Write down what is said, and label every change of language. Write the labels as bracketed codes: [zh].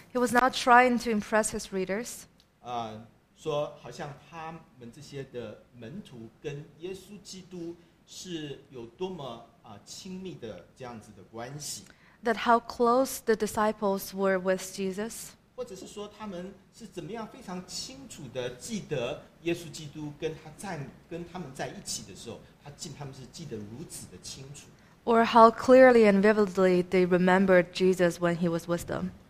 [en] He was not trying to impress his readers. [zh] 说好像他们这些的门徒跟耶稣基督是有多么亲密的这样子的关系。 [en] That how close the disciples were with Jesus. [zh] 或者是说他们是怎么样非常清楚的记得耶稣基督跟他们在一起的时候，他们是记得如此的清楚。 [en] Or how clearly and vividly they remembered Jesus when he was with them.